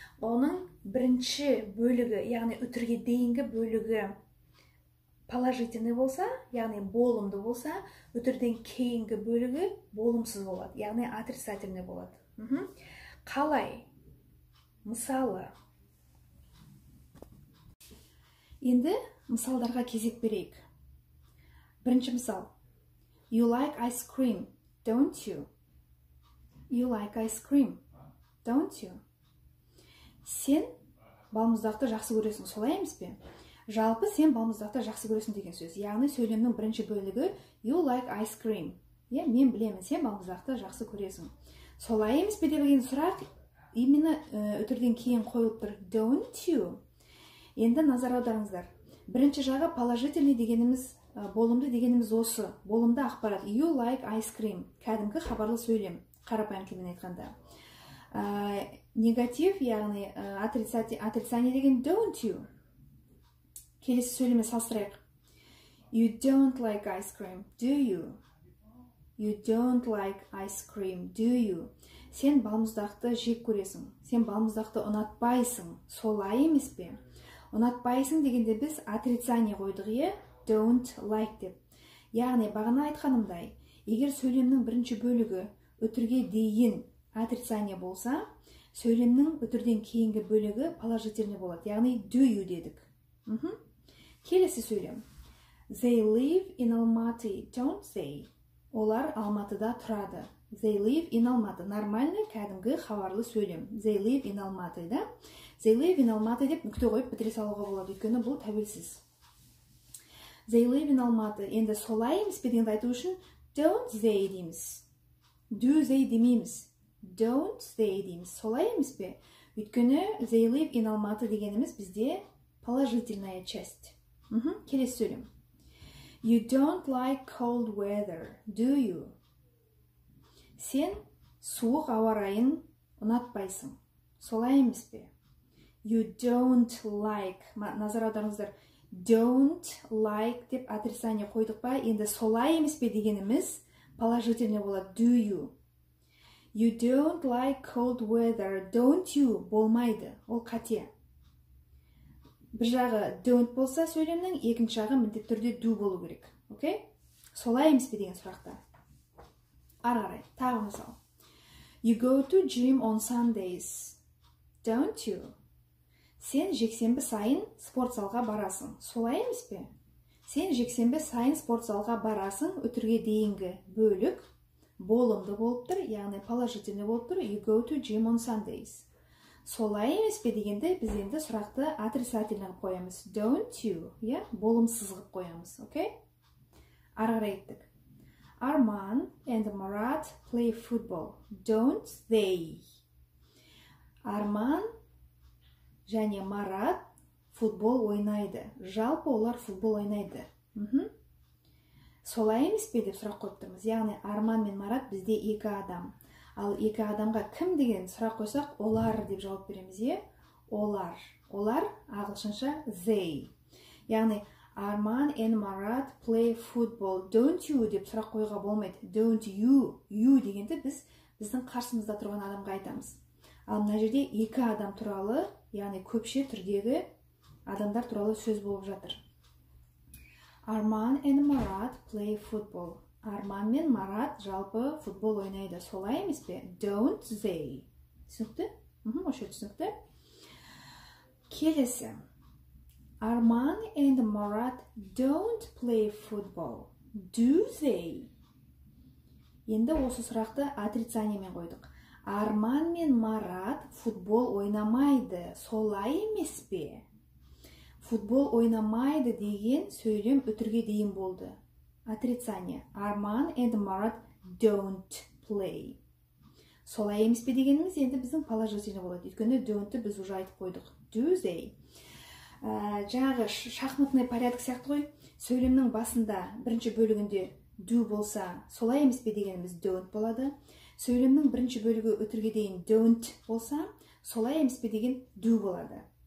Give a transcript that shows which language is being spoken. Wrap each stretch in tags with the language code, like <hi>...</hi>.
<kk>Оның бірінші бөлігі, яғни үтірге дейінгі бөлігі положительный болса, яғни болымды болса, өтірден кейінгі бөлігі болымсыз болады, яғни отрицательный болады. Қалай? Мысалы. Енді мысалдарға кезек берейік. Бірінші мысал.</kk> <en>You like ice cream, don't you? You like ice cream, don't you?</en> <kk>Сен балмұздақты жақсы көресің, солай емес пе? Жалпы сен балмұздақты жақсы көресің деген сөз. Яғни сөйлемнің бірінші бөлігі</kk> <en>you like ice cream.</en> <kk>Мен білемін, сен балмұздақты жақсы көресің. Солай емес пе деген сұрақ именно өтірден кейін қойылып тұр.</kk> <en>Don't you?</en> <kk>Енді назар аударыңыздар. Бірінші жағы положительный дегеніміз, болымды дегеніміз осы. Болымды ақпарат.</kk> <en>You like ice cream.</en> <kk>Кәдімгі хабарлы сөйлем. Қарапайым тілмен айтқанда. Негатив, яғни отрицание деген</kk> <en>don't you.</en> <kk>Келесі сөйлеме салыстырайық.</kk> <en>You don't like ice cream, do you? You don't like ice cream, do you?</en> <kk>Сен балмұздақты жек көресің. Сен балмұздақты ұнатпайсың. Солай емес пе? Ұнатпайсың дегенде біз отрицание қойдық, е?</kk> <en>Don't like деп.</en> <kk>Яғни бағана айтқанымдай, егер сөйлемнің бірінші бөлігі өтірге дейін отрицание болса, сөйлемнің өтірден кейінгі бөлігі положительный болады. Яғни</kk> <en>do you</en> <kk>дедік. Келесі сөйлем.</kk> <en>They live in Алматы, don't they?</en> <kk>Олар Алматыда тұрады.</kk> <en>They live in Алматы.</en> <kk>Нормальны кәдімгі хабарлы сөйлем.</kk> <en>They live in Алматы,</en> <kk>да?</kk> <en>They live in Алматы</en> <kk>деп мүкте қойып бітіре салуға болады. Өйткені бұл тәуелсіз.</kk> <en>They live in Алматы.</en> <kk>Енді солай емес пе дегенді айту үшін</kk> <en>don't they</en> <kk>дейміз.</kk> <en>Do they</en> <kk>демейміз.</kk> <en>Don't they</en> <kk>дейміз. Солай емес пе? Өйткені</kk> <en>they live in Алматы</en> <kk>дегеніміз бізде</kk> <ru>положительная часть.</ru> <kk>Келесі сөйлем.</kk> <en>You don't like cold weather, do you?</en> <kk>Сен суық ауа райын ұнатпайсың. Солай емес пе?</kk> <en>You don't like.</en> <kk>Назар аударыңыздар.</kk> <en>Don't like</en> <kk>деп отрицание қойдық па? Енді солай емес пе дегеніміз положительный болады.</kk> <en>Do you? You don't like cold weather, don't you?</en> <kk>Болмайды. Ол қате. Бір жағы don't болса сөйлемнің, екінші жағы міндетті түрде do болу керек. Окей? Солай емес пе деген сұрақта. Ары-ары, тағы мысал.</kk> <en>You go to gym on Sundays, don't you?</en> <kk>Сен жексенбі сайын спорт залға барасың. Солай емес пе? Сен жексенбі сайын спорт залға барасың, өтірге дейінгі бөлік болымды болып тұр, яғни положительный болып тұр.</kk> <en>You go to gym on Sundays.</en> <kk>Солай емес пе дегенде, біз енді сұрақты отрицательный ғып қоямыз.</kk> <en>Don't you,</en> <kk>болымсыз ғып қоямыз, окей? Арғыр еттік.</kk> <en>Арман and Марат play football. Don't they? Арман және Марат</en> <kk>футбол ойнайды. Жалпы олар футбол ойнайды. Солай емес пе деп сұрақ қойып тұрмыз. Яғни Арман мен Марат бізде екі адам. Ал екі адамға кім деген сұрақ қойсақ, олар деп жауап береміз, е? Олар. Олар ағылшынша they. Яғни</kk> <en>Арман and Марат play football. Don't you</en> <kk>деп сұрақ қойға болмайды.</kk> <en>Don't you.</en> <kk>You дегенде біздің қарсымызда тұрған адамға айтамыз. Ал мына жерде екі адам туралы, яғни көпше түрдегі адамдар туралы сөз болып жатыр.</kk> <en>Арман and Марат play football.</en> <kk>Арман мен Марат жалпы футбол ойнайды. Солай емес пе?</kk> <en>Don't they.</en> <kk>Түсінікті? Осы түсінікті. Келесі.</kk> <en>Арман and Марат don't play football. Do they?</en> <kk>Енді осы сұрақты отрицаниемен қойдық. Арман мен Марат футбол ойнамайды. Солай емес пе? Футбол ойнамайды деген сөйлем өтірге дейін болды. Отрицание.</kk> <en>Арман and Марат don't play.</en> <kk>Солай емес пе дегеніміз енді біздің положительный болады. Өйткені don't-ті біз уже айтып қойдық.</kk> <en>Do they?</en> <kk>Жағы</kk> <ru>шахматный порядок</ru> <kk>сияқты қой. Сөйлемнің басында бірінші бөлігінде do болса, солай емес пе дегеніміз don't болады. Сөйлемнің бірінші бөлігі өтірге дейін don't болса, солай емес пе деген do болады.</kk>